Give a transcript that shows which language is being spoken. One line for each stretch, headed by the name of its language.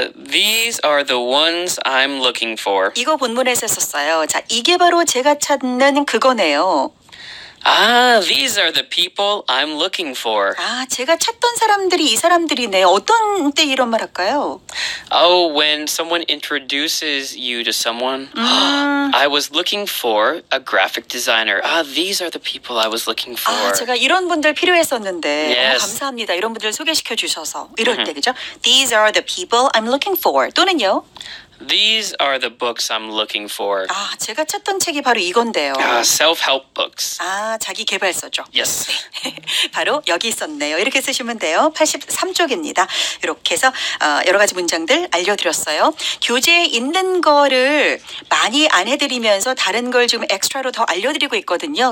English: These are the ones I'm looking for.
Korean: 이거 본문에서 썼어요. 자, 이게 바로 제가 찾는 그거네요.
English: Ah, these are the people I'm looking for.
Korean: 아, 제가 찾던 사람들이 이 사람들이네. 어떤 때 이런 말 할까요?
English: Oh, when someone introduces you to someone. I was looking for a graphic designer. Ah, these are the people I was looking for.
Korean: 아, 제가 이런 분들 필요했었는데.
English: Yes.
Korean: 아, 감사합니다. 이런 분들 소개시켜 주셔서. 이럴 때, 그죠?
English: These are the people I'm looking for.
Korean: 또는요?
English: These are the books I'm looking for.
Korean: 아, 제가 찾던 책이 바로 이건데요.
English: Self-help books.
Korean: 아, 자기 개발서죠.
English: Yes.
Korean: 바로 여기 있었네요. 이렇게 쓰시면 돼요. 83쪽입니다. 이렇게 해서 여러 가지 문장들 알려드렸어요. 교재에 있는 거를 많이 안 해드리면서 다른 걸 지금 엑스트라로 더 알려드리고 있거든요.